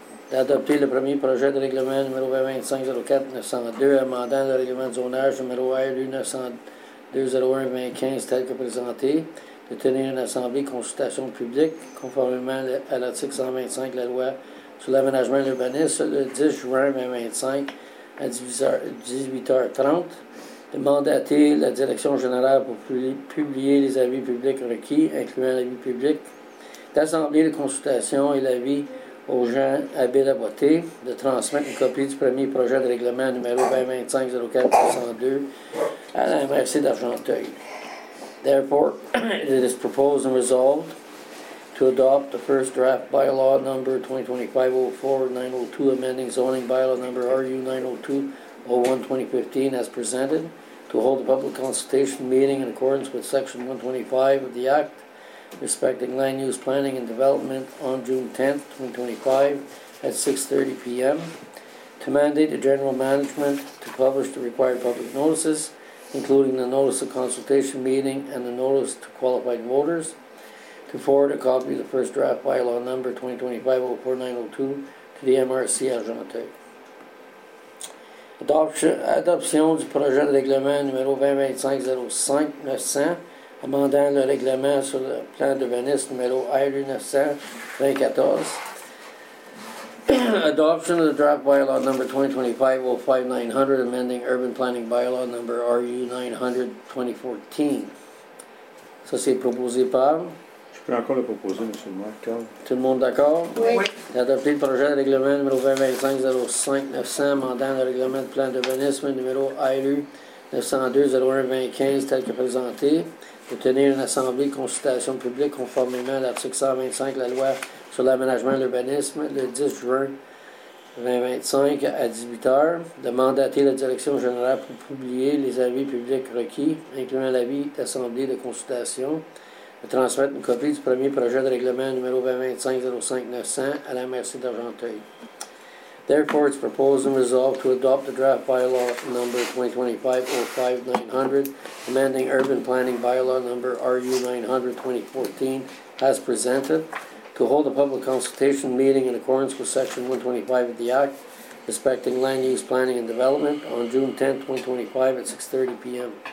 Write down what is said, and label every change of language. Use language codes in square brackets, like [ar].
[fr] D'adopter le premier projet de règlement numéro 2025-04-902, amendant le règlement de zonage numéro RU-902-01-2015, tel que présenté, de tenir une assemblée consultation publique conformément à l'article 125 de la loi sur l'aménagement et l'urbanisme le 10 juin 2025 à 18h30, de mandater la direction générale pour publier les avis publics requis, incluant l'avis public d'assemblée de consultation et l'avis aux gens habiles à voter, de transmettre une copie du premier projet de règlement numéro 2025-04-102 à la MRC d'Argenteuil. [en] Therefore, it is proposed and resolved to adopt the first draft bylaw number 2025-04-902, amending zoning bylaw number RU-902-01-2015 as presented, to hold a public consultation meeting in accordance with Section 125 of the Act respecting land use planning and development on June 10, 2025 at 6:30 p.m., to mandate the general management to publish the required public notices, including the notice of consultation meeting and the notice to qualified voters, to forward a copy of the first draft bylaw number 2025-04-902 to the MRC Argenteuil. [fr] Adoption du projet de règlement numéro 2025-05-900, amendant le règlement sur le plan de Venise numéro RU-900-2014. [en] Adoption of the draft bylaw number 2025-05-900, amending urban planning bylaw number RU-900-2014. [fr] Ça, c'est proposé par... Je peux encore le proposer, M. le maire, Carl. Tout le monde d'accord? Oui. Adopter le projet de règlement numéro 2025-05-900, amendant le règlement de plan d'urbanisme numéro ALU-902-01-2015, tel que présenté, de tenir une assemblée de consultation publique conformément à l'article 125 de la loi sur l'aménagement et l'urbanisme le 10 juin 2025 à 18h, de mandater la direction générale pour publier les avis publics requis, incluant l'avis d'assemblée de consultation, de transmettre une copie du premier projet de règlement numéro 2025-05-900 à la MRC d'Argenteuil. [en] Therefore, it's proposed and resolved to adopt the draft bylaw number 2025-05-900, amending urban planning bylaw number RU-900-2014, as presented, to hold a public consultation meeting in accordance with Section 125 of the Act respecting land use planning and development on June 10, 2025 at 6:30 p.m.